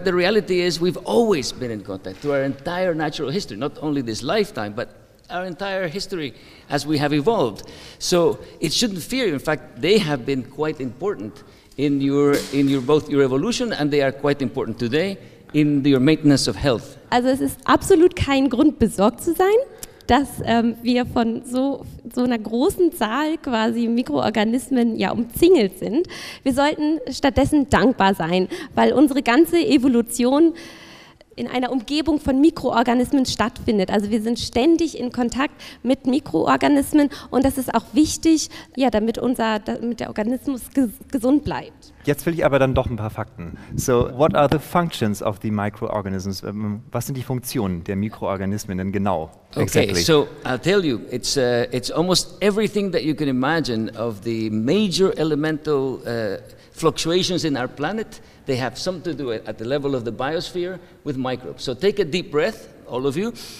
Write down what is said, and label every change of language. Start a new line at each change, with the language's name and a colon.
English: But the reality is we've always been in contact through our entire natural history, not only this lifetime, but our entire history as we have evolved. So it shouldn't fear you. In fact, they have been quite important in your both your evolution, and they are quite important today in your maintenance of health.
German: Also es ist absolut kein Grund, besorgt zu sein, dass wir von so einer großen Zahl quasi Mikroorganismen umzingelt sind. Wir sollten stattdessen dankbar sein, weil unsere ganze Evolution in einer Umgebung von Mikroorganismen stattfindet. Also wir sind ständig in Kontakt mit Mikroorganismen, und das ist auch wichtig, damit der Organismus gesund bleibt. Jetzt will ich aber dann doch ein paar Fakten.
English: So, what are the functions of the microorganisms?
German: Was sind die Funktionen der Mikroorganismen denn genau?
English: Okay, exactly. So I'll tell you, it's almost everything that you can imagine of the major elemental fluctuations in our planet. They have something to do at the level of the biosphere with microbes. So take a deep breath, all of you.